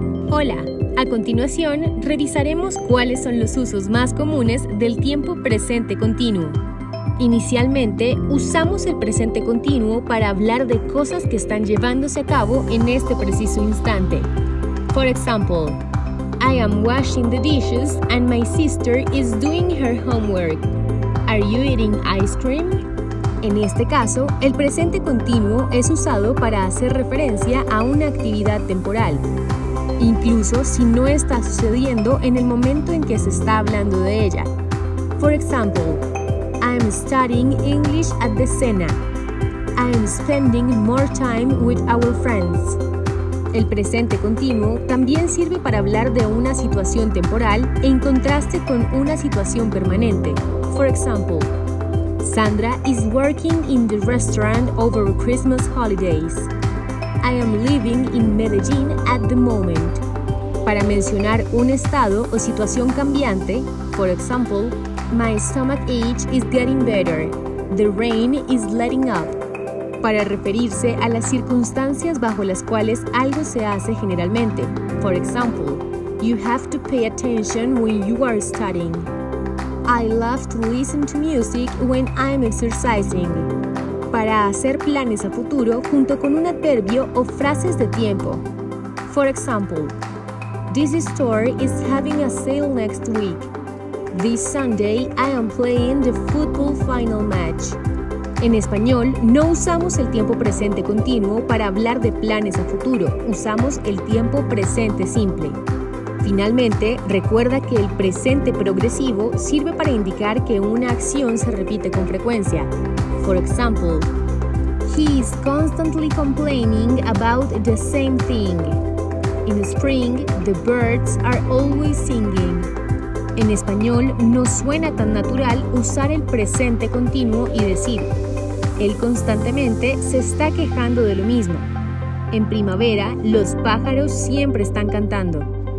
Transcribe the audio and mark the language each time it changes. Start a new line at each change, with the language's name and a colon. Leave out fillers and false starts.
Spanish: Hola, a continuación revisaremos cuáles son los usos más comunes del tiempo presente continuo. Inicialmente, usamos el presente continuo para hablar de cosas que están llevándose a cabo en este preciso instante.
English: For example, I am washing the dishes and my sister is doing her homework. Are you eating ice cream?
Spanish: En este caso, el presente continuo es usado para hacer referencia a una actividad temporal, incluso si no está sucediendo en el momento en que se está hablando de ella.
English: For example, I'm studying English at the cena. I'm spending more time with our friends.
Spanish: El presente continuo también sirve para hablar de una situación temporal en contraste con una situación permanente.
English: For example, Sandra is working in the restaurant over Christmas holidays. I am living in Medellín at the moment.
Spanish: Para mencionar un estado o situación cambiante,
English: for example, my stomach ache is getting better. The rain is letting up.
Spanish: Para referirse a las circunstancias bajo las cuales algo se hace generalmente.
English: For example, you have to pay attention when you are studying. I love to listen to music when I'm exercising.
Spanish: Para hacer planes a futuro junto con un adverbio o frases de tiempo.
English: For example, this store is having a sale next week. This Sunday I am playing the football final match.
Spanish: En español, no usamos el tiempo presente continuo para hablar de planes a futuro. Usamos el tiempo presente simple. Finalmente, recuerda que el presente progresivo sirve para indicar que una acción se repite con frecuencia.
English: For example, he is constantly complaining about the same thing. In spring, the birds are always singing.
Spanish: En español, no suena tan natural usar el presente continuo y decir, él constantemente se está quejando de lo mismo. En primavera, los pájaros siempre están cantando.